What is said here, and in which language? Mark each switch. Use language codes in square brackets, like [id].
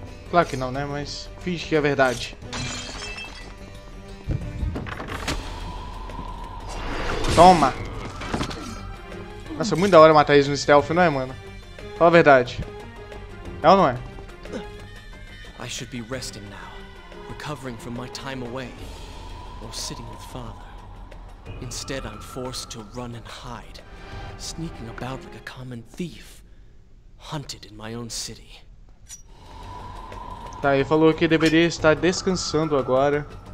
[pt] Claro que não, né? Mas finge que é verdade. Toma! Nossa, é muito da hora matar eles no stealth, não é, mano? Fala a verdade. É ou não é? [en] I should be resting now, recovering from my time away, or sitting with father. Instead, I'm forced to run and hide, sneaking about like a common thief, hunted in my own city. [pt] Tá, ele falou que deveria estar descansando agora.